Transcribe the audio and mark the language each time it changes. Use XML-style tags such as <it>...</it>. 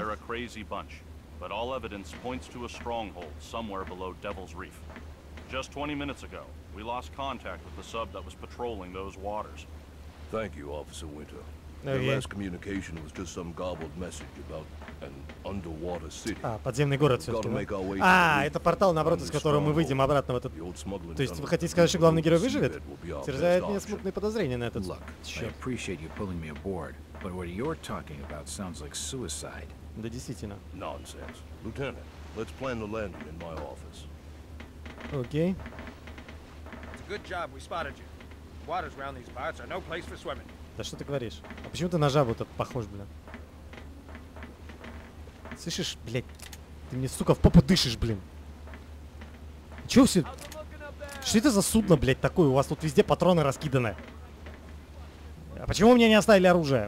<en>They're a crazy bunch, but all evidence points to a stronghold somewhere below Devil's Reef. Just 20 minutes ago, we lost contact with the sub that was patrolling those waters. Thank you, Officer Winter. Your last communication was just some garbled message about an underwater city.</en> <ru>А, подземный город все-таки. А, это портал, наоборот, из которого мы выйдем обратно в этот... То есть вы хотите сказать, что главный герой выживет? Терзает меня смутные подозрения на этот счет. Да, действительно.</ru> <en>Nonsense. Lieutenant, let's plan the landing in my office.</en> <ru>Окей.</ru> <en>Good job, we spotted you. Waters around these parts are no place for swimming.</en> <ru>Да что ты говоришь? А почему ты на жабу тут похож, блин? Слышишь, блядь? Ты мне, сука, в попу дышишь, блин. Чё все? Что это за судно, блядь, такое? У вас тут везде патроны раскиданы. А почему мне не оставили оружие?</ru>